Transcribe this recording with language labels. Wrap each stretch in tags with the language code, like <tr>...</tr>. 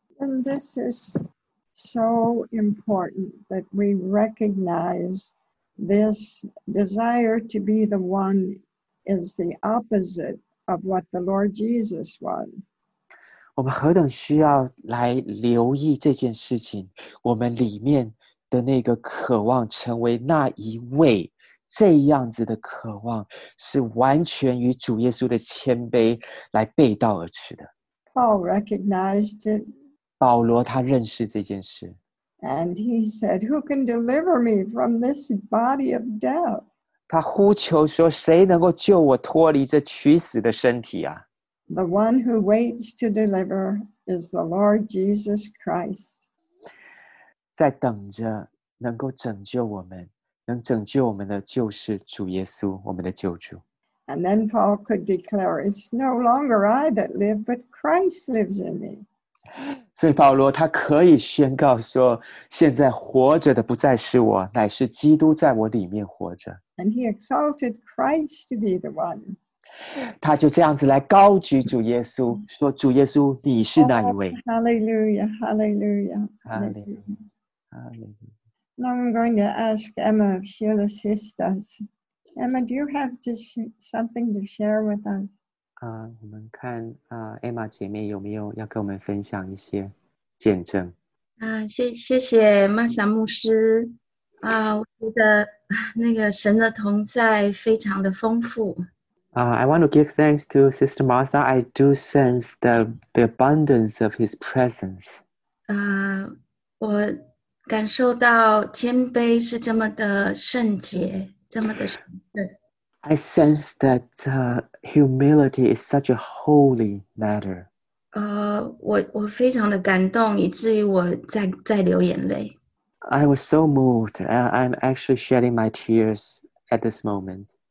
<en>And this is so important that we recognize this desire to be the one is the opposite of what the Lord Jesus was.</en> <zh>我们何等需要来留意这件事情，我们里面的那个渴望成为那一位，这样子的渴望是完全与主耶稣的谦卑来背道而驰的。</zh> <en>Paul recognized it.</en> <zh>保罗他认识这件事。</zh> <en>And he said, who can deliver me from this body of death?</en> <zh>他呼求说，谁能够救我脱离这取死的身体啊？</zh> <en>The one who waits to deliver is the Lord Jesus Christ.</en> <zh>在等着能够拯救我们，能拯救我们的就是主耶稣，我们的救主。</zh> <en>And then Paul could declare, it's no longer I that live, but Christ lives in me.</en> <zh>所以保罗他可以宣告说，现在活着的不再是我，乃是基督在我里面活着。</zh> <en>And he exalted Christ to be the one.</en> <zh>他就这样子来高举主耶稣，说主耶稣你是那一位。</zh> <en>Hallelujah, Hallelujah, Hallelujah. Now I'm going to ask Emma if she'll assist us. Emma, do you have something to share with us?</en> <zh>我们看 Emma 姐妹有没有要跟我们分享一些见证。谢谢 Masa 牧师。我觉得那个神的同在非常的丰富。</zh> <en>I want to give thanks to Sister Martha. I do sense the abundance of his presence.</en> <zh>我感受到谦卑是这么的圣洁，这么的神圣。</zh> <en>I sense that humility is such a holy matter.</en> <zh>我非常的感动，以至于我在流眼泪。</zh> <en>I was so moved. I'm actually shedding my tears at this moment.</en>